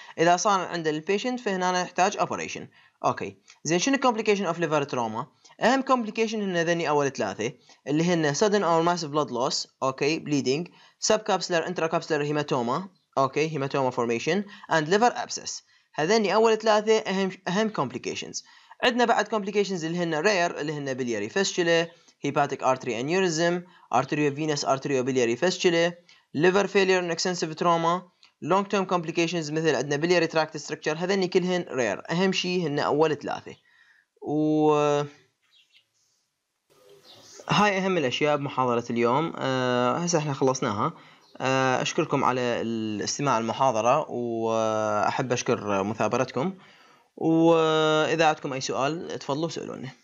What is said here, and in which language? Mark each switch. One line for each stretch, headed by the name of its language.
Arabic: إذا صار عند patient فهنا نحتاج operation. أوكي. زين شنو complication of liver trauma؟ أهم complication هن ذني أول ثلاثة اللي هن
English: sudden or massive blood loss. Okay. Bleeding. Subcapsular intracapsular hematoma. Okay. Hematoma formation. And liver abscess.
Arabic: هذني أول ثلاثة أهم complications. عندنا بعد
English: complications اللي هن rare اللي هن biliary fistula, hepatic artery aneurysm, arteriovenous arteriobiliary fistula, liver failure and extensive trauma. Long term complications
Arabic: مثل عندنا
English: biliary tract structure
Arabic: هذين كلهن
English: rare.
Arabic: أهم شيء هن أول ثلاثة و هاي أهم الأشياء بمحاضرة اليوم. هسه احنا خلصناها. أشكركم على الاستماع المحاضرة وأحب أشكر مثابرتكم وإذا عندكم أي سؤال تفضلوا سألوني.